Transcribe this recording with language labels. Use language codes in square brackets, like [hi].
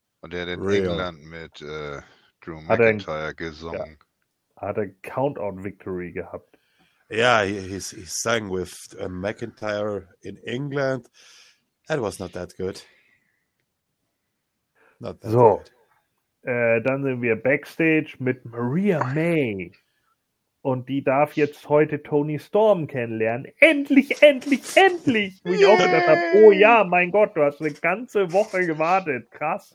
[de] Und er hat in England mit Drew McIntyre gesungen. Ja. Hat a Countout Victory gehabt. [en] Ja, he sang with McIntyre in England. That was not that good. [de] So, dann sind wir Backstage mit Maria May und die darf jetzt heute Toni Storm kennenlernen. Endlich, endlich, endlich! Wo ich auch gedacht habe, oh ja, mein Gott, du hast eine ganze Woche gewartet, krass.